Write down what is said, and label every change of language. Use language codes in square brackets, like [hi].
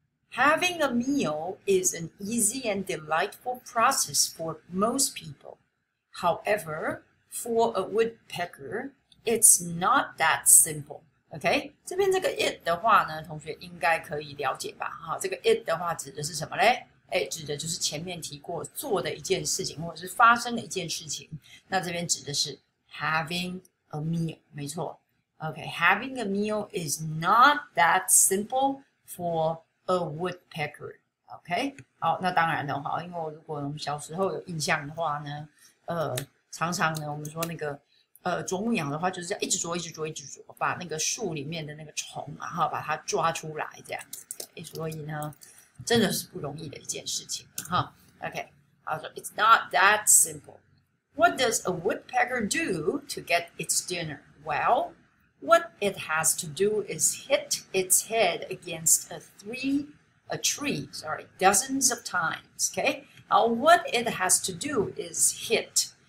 [en] Having a meal is an easy and delightful process for most people. However, for a woodpecker, it's not that simple. [zh] OK， 这边这个 it 的话呢，同学应该可以了解吧？哈，这个 it 的话指的是什么嘞？哎，指的就是前面提过做的一件事情，或者是发生的一件事情。那这边指的是 having a meal， 没错。 [en] OK，having、okay, a meal is not that simple for a woodpecker。 [zh] OK， 好，那当然的话，因为如果我们小时候有印象的话呢，常常呢，我们说那个。啄木鸟的话就是这样，一直啄，一直啄，一直啄，把那个树里面的那个虫，然后把它抓出来，这样子。所以呢，真的是不容易的一件事情，哈。 [en] OK， [zh] 好，说 [en] It's not that simple. What does a woodpecker do to get its dinner? Well, what it has to do is hit its head against a tree, dozens of times. Okay, now what it has to do is hit.